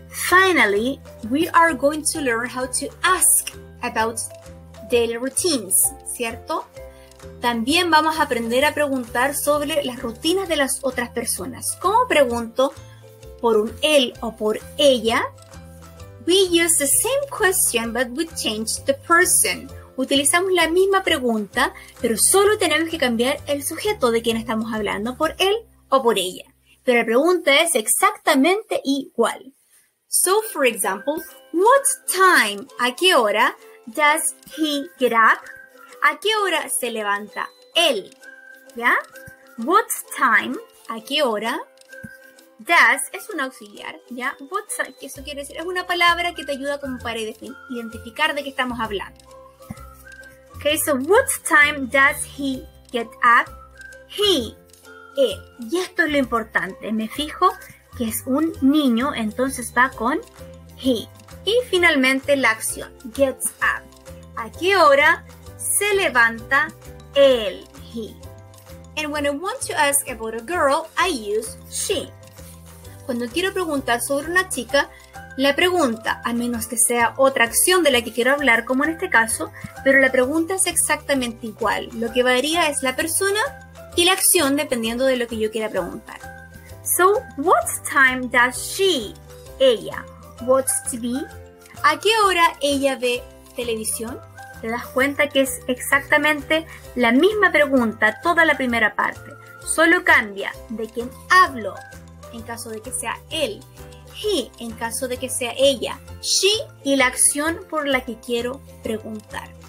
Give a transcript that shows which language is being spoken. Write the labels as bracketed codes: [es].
[en] Finally, we are going to learn how to ask about daily routines, [es] ¿cierto? También vamos a aprender a preguntar sobre las rutinas de las otras personas. ¿Cómo pregunto por un él o por ella? [en] We use the same question, but we change the person. [es] Utilizamos la misma pregunta, pero solo tenemos que cambiar el sujeto de quien estamos hablando por él o por ella. Pero la pregunta es exactamente igual. [en] So, for example, what time, [es] a qué hora, [en] does he get up? [es] ¿A qué hora se levanta él? ¿Ya? [en] What time, [es] a qué hora, does, es un auxiliar, ¿ya? What time, eso quiere decir, es una palabra que te ayuda como para identificar de qué estamos hablando. [en] Okay, so what time does he get up? He, él. [es] Y esto es lo importante, me fijo que es un niño, entonces va con he. Y finalmente la acción, [en] gets up. [es] ¿A qué hora se levanta él, he? [en] And when I want to ask about a girl, I use she. [es] Cuando quiero preguntar sobre una chica, la pregunta, a menos que sea otra acción de la que quiero hablar, como en este caso, pero la pregunta es exactamente igual. Lo que varía es la persona y la acción dependiendo de lo que yo quiera preguntar. [en] So, what time does she, ella, watch TV? [es] ¿A qué hora ella ve televisión? ¿Te das cuenta que es exactamente la misma pregunta toda la primera parte? Solo cambia de quién hablo en caso de que sea él, he en caso de que sea ella, she y la acción por la que quiero preguntar.